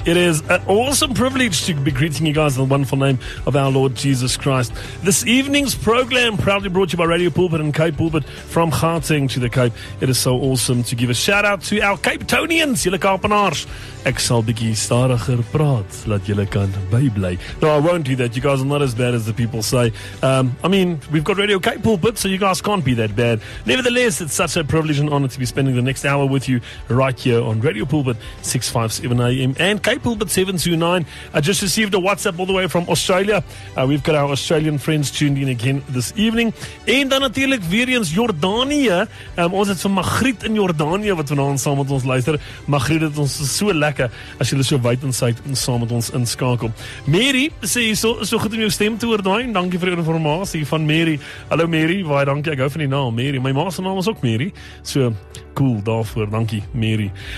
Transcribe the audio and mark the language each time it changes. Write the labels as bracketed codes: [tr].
[en] It is an awesome privilege to be greeting you guys in the wonderful name of our Lord Jesus Christ. This evening's program, proudly brought to you by Radio Pulpit and Cape Pulpit from Gauteng to the Cape. It is so awesome to give a shout out to our Cape Tonians, [af] julle Kaapenaars. Ek sal bietjie stadiger praat, laat julle kan bybly. [en] No, I won't do that. You guys are not as bad as the people say. I mean, we've got Radio Cape Pulpit, so you guys can't be that bad. Nevertheless, it's such a privilege and honor to be spending the next hour with you right here on Radio Pulpit 657 AM and Cape Pulpit 729. I just received a WhatsApp all the way from Australia. We've got our Australian friends tuned in again this evening. [af] En dan natuurlik weer eens Jordanië. Ons het van Magriet in Jordanië wat vanaand saam met ons luister. Magriet het ons so lekker as jy so wyd en sui en saam met ons inskakel. Mary sê hier so goed om jou stem te hoor daai. Dankie vir die informatie van Mary. Hallo Mary, baie dankie. Ek hou van die naam Mary. My ma se naam is ook Mary. So cool daarvoor. Dankie Mary.